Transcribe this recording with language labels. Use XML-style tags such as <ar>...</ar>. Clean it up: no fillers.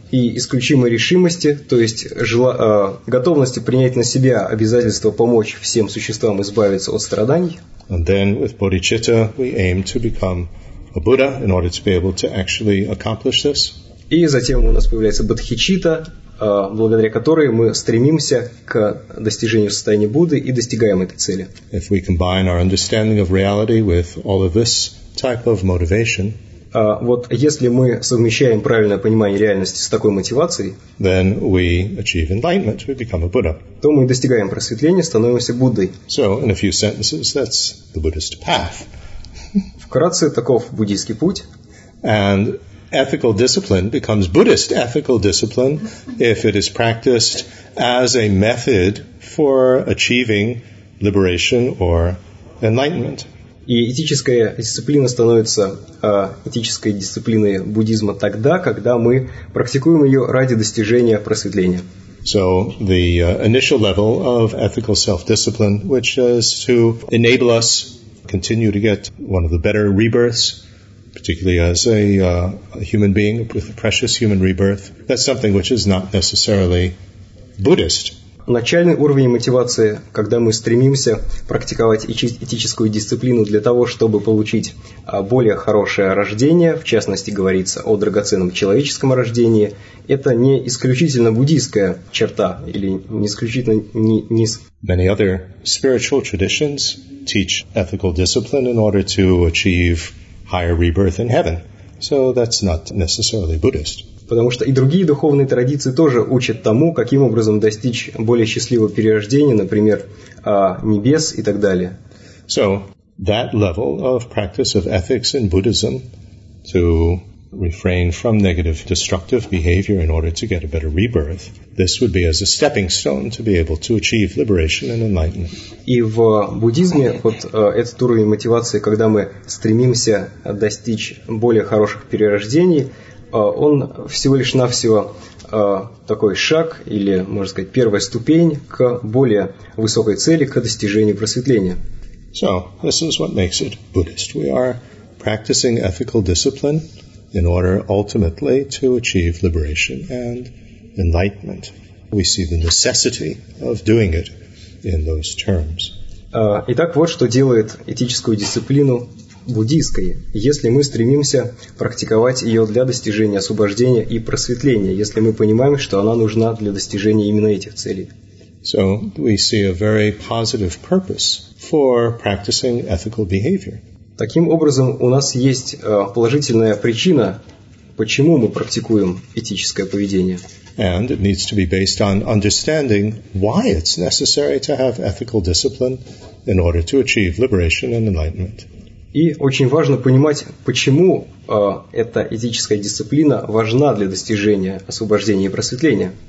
<ru>И исключимой решимости, то есть готовности принять на себя обязательство помочь всем существам избавиться от страданий.</ru> <en>And then with bodhicitta, we aim to become a Buddha in order to be able to actually accomplish this.</en> <ru>И затем у нас появляется бодхичитта, благодаря которой мы стремимся к достижению состояния Будды и достигаем этой цели.</ru> <en>If we combine our understanding of reality with all of this type of motivation,</en> <ru>вот если мы совмещаем правильное понимание реальности с такой мотивацией,</ru> <en>then we achieve enlightenment, we become a Buddha.</en> <ru>То мы достигаем просветления, становимся Буддой.</ru> <en>So, in a few sentences, that's the Buddhist path.</en> <ru>Вкратце, таков буддийский путь.</ru> <en>And ethical discipline becomes Buddhist ethical discipline if it is practiced as a method for achieving liberation or enlightenment.</en> <ru>И этическая дисциплина становится этической дисциплиной буддизма тогда, когда мы практикуем ее ради достижения просветления.</ru> <en>So the initial level of ethical self-discipline, which is to enable us continue to get one of the better rebirths, particularly as a human being with a precious human rebirth, that's something which is not necessarily Buddhist.</en> <ru>Начальный уровень мотивации, когда мы стремимся практиковать этическую дисциплину для того, чтобы получить более хорошее рождение, в частности, говорится о драгоценном человеческом рождении, это не исключительно буддийская черта или не исключительно низ.</ru> <en>Many other spiritual traditions teach ethical discipline in order to achieve higher rebirth in heaven. So that's not necessarily Buddhist.</en> <ru>Потому что и другие духовные традиции тоже учат тому, каким образом достичь более счастливого перерождения, например, небес и так далее.</ru> <en>So that level of practice of ethics in Buddhism to refrain from negative destructive behavior in order to get a better rebirth, this would be as a stepping stone to be able to achieve liberation and enlightenment.</en> <ru>И в буддизме вот этот уровень мотивации, когда мы стремимся достичь более хороших перерождений, он всего лишь навсего такой шаг или, можно сказать, первая ступень к более высокой цели, к достижению просветления.</ru> <en>So, this is what makes it Buddhist. We are practicing ethical discipline in order ultimately to achieve liberation and enlightenment. We see the necessity of doing it in those terms.</en> <ru>Итак, вот что делает этическую дисциплину буддийской. Если мы стремимся практиковать ее для достижения освобождения и просветления, если мы понимаем, что она нужна для достижения именно этих целей.</ru> <en>So we see a very positive purpose for practicing ethical behavior.</en> <ru>Таким образом, у нас есть положительная причина, почему мы практикуем этическое поведение.</ru> <en>And it needs to be based on understanding why it's necessary to have ethical discipline in order to achieve liberation and enlightenment.</en> <ru>И очень важно понимать, почему эта этическая дисциплина важна для достижения освобождения и просветления.</ru>